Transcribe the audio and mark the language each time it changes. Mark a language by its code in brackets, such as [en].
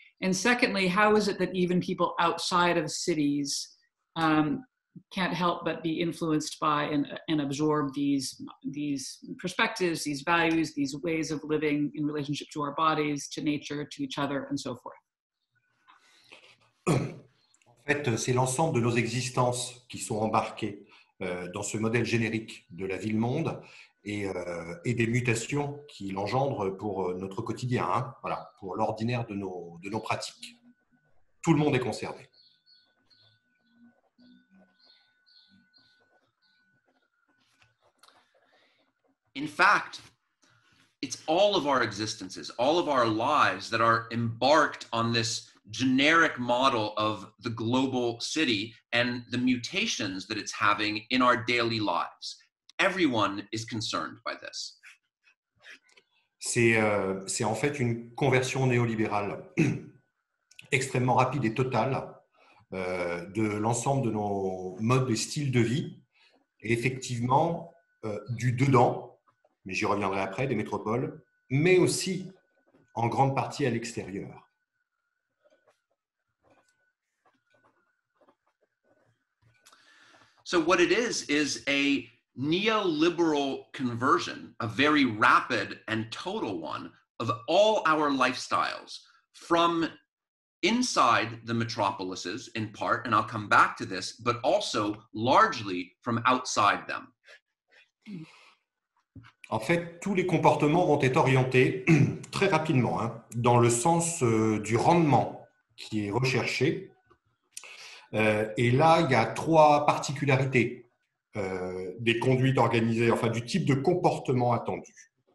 [en] And secondly, how is it that even people outside of cities can't help but be influenced by and absorb these perspectives, these values, these ways of living in relationship to our bodies, to nature, to each other, and so forth? [fr] En fait, c'est l'ensemble de nos existences qui sont embarquées dans ce modèle générique de la ville-monde et des mutations qui l'engendrent pour notre quotidien, hein, voilà, pour l'ordinaire de nos pratiques. Tout le monde est concerné. [en] In fact, it's all of our existences, all of our lives that are embarked on this generic model of the global city and the mutations that it's having in our daily lives. Everyone is concerned by this. [fr] C'est en fait une conversion néolibérale extrêmement rapide et totale de l'ensemble de nos modes et styles de vie, et effectivement du dedans, mais j'y reviendrai après, des métropoles, mais aussi en grande partie à l'extérieur. [en] So what it is a neoliberal conversion, a very rapid and total one, of all our lifestyles from inside the metropolises in part, and I'll come back to this, but also largely from outside them. [fr] En fait, tous les comportements vont être orientés très rapidement, hein, dans le sens du rendement qui est recherché. Et là, il y a trois particularités des conduites organisées, enfin du type de comportement attendu.